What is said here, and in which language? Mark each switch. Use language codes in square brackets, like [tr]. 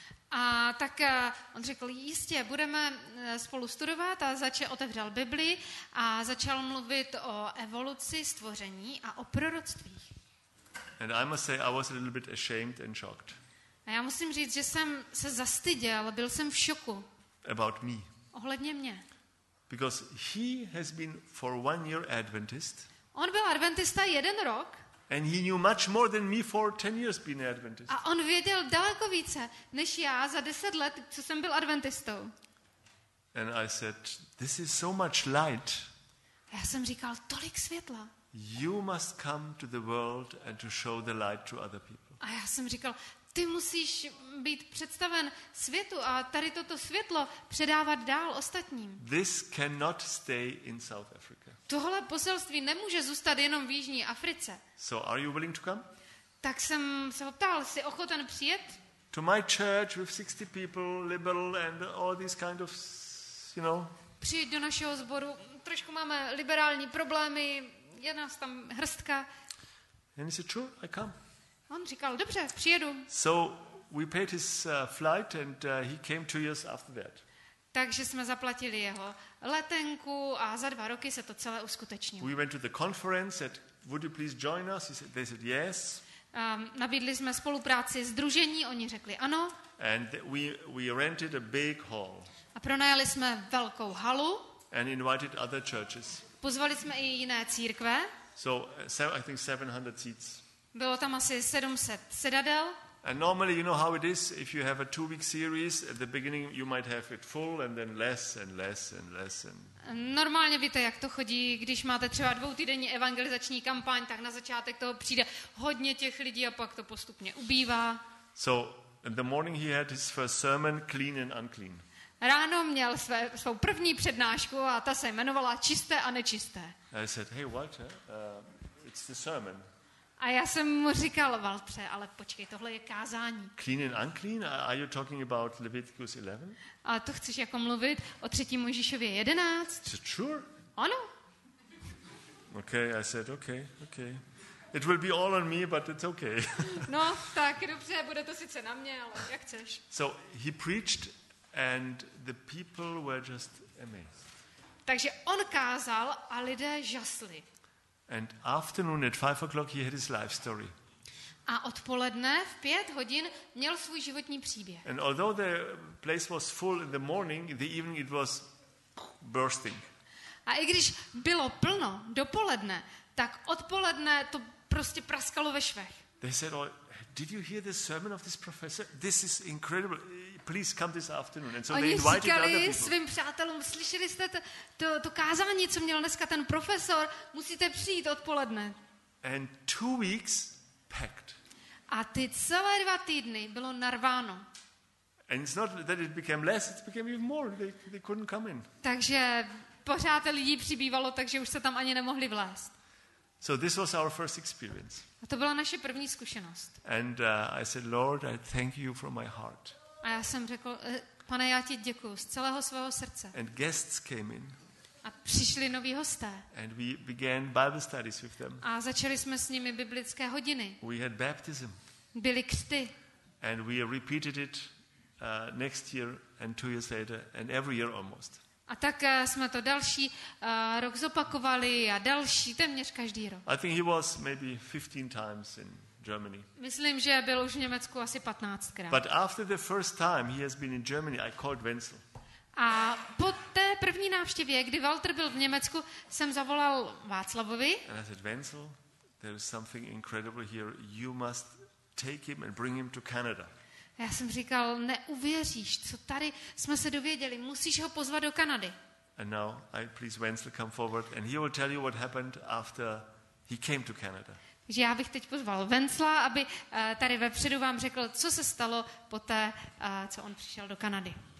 [cs] A tak on řekl, jistě, budeme spolu studovat, a otevřel Bibli a začal mluvit o evoluci, stvoření a o proroctvích. [en] And I must say, I was a little bit ashamed and shocked. [cs] A já musím říct, že jsem se zastyděl, byl jsem v šoku. [en] About me. [cs] Ohledně mě. [en] Because he has been for 1 year Adventist. [cs] On byl adventista jeden rok. [en] And he knew much more than me for 10 years being Adventist. [cs] A on věděl daleko více než já za 10 let, co jsem byl adventistou. [en] And I said, this is so much light. [cs] Já jsem říkal, tolik světla. [en] You must come to the world and to show the light to other people. [cs] A já jsem říkal, ty musíš být představen světu a tady toto světlo předávat dál ostatním. [en] This cannot stay in South Africa. [cs] Tohle poselství nemůže zůstat jenom v Jižní Africe. [en] So are you willing to come? [cs] Tak jsem se ho ptal, jsi ochoten přijet? [en] To my church with 60 people, liberal and all these kind of, you know. [cs] Přijď do našeho sboru, trošku máme liberální problémy, je nás tam hrstka. [en] And he said, sure, I come. [cs] On říkal, dobře, přijedu. [en] So we paid his flight and he came 2 years after that. [cs] Takže jsme zaplatili jeho letenku a za 2 roky se to celé uskutečnilo. [en] We went to the conference, said, would you please join us? They said, yes. [cs] Nabídli jsme spolupráci sdružení, oni řekli ano. [en] And we rented a big hall. [cs] A pronajali jsme velkou halu. [en] And invited other churches. [cs] Pozvali jsme i jiné církve. [en] So I think 700 seats. [cs] Bylo tam asi 700 sedadel. [en] And normally you know how it is, if you have a 2 week series, at the beginning you might have it full and then less and less and less and... [cs] Normálně víte, jak to chodí, když máte třeba 2 týdenní evangelizační kampaň, tak na začátek toho přijde hodně těch lidí a pak to postupně ubývá. [en] So in the morning he had his first sermon, clean and unclean. [cs] Ráno měl svou první přednášku a ta se jmenovala Čisté a nečisté. [en] I said, hey Walter, it's the sermon. [cs] A já jsem mu říkal, Valtře, ale počkej, tohle je kázání. [en] Clean and unclean? Are you talking about Leviticus 11? [cs] A to chceš jako mluvit o 3. Mojžíšově 11? [en] Is it sure? [cs] Ano. [en] Okay, I said, okay. It will be all on me, but it's okay. [cs] No, tak dobře, bude to sice na mě, ale jak chceš. [en] So he preached and the people were just amazed. [cs] Takže on kázal a lidé žasli. [en] And afternoon at 5 o'clock he had his life story. [cs] A odpoledne v 5 hodin měl svůj životní příběh. [en] And although the place was full in the morning, in the evening it was bursting. [cs] A i když bylo plno dopoledne, tak odpoledne to prostě praskalo ve švech. [en] They said, oh, did you hear the sermon of this professor? This is incredible. Please come this afternoon. And so [cs] oni [en] they invited other people. [cs] Svým přátelům, slyšeli jste to kázání, co měl dneska ten profesor, musíte přijít odpoledne. [en] And 2 weeks packed. [cs] A ty celé 2 týdny bylo narváno. [en] And it's not that it became less, it became even more. They couldn't come in. [cs] Takže pořád lidí přibývalo, takže už se tam ani nemohli vlézt. [en] So this was our first experience. [cs] A to byla naše první zkušenost. [en] And I said, Lord, I thank you from my heart. [cs] A já jsem řekl, pane, já ti děkuju z celého svého srdce. [en] And guests came in. [cs] A přišli noví hosté. [en] And we began Bible studies with them. [cs] A začali jsme s nimi biblické hodiny. [en] We had baptism. [cs] Byly křty. [en] And we repeated it next year and 2 years later and every year almost. [cs] A tak jsme to další rok zopakovali a další téměř každý rok. [en] I think he was maybe 15 times in Germany. [cs] Myslím, že byl už v Německu asi 15krát. [en] But after the first time he has been in Germany, I called Wenzel. [cs] A po té první návštěvě, kdy Walter byl v Německu, jsem zavolal Václavovi. [en] And I said, Wenzel, there is something incredible here. You must take him and bring him to Canada. [cs] Já jsem říkal, neuvěříš, co tady jsme se dověděli. Musíš ho pozvat do Kanady. [en] And now I please Wenzel come forward and he will tell you what happened after he came to Canada. [cs] Že já bych teď pozval Wenzla, aby tady vepředu vám řekl, co se stalo poté, co on přišel do Kanady.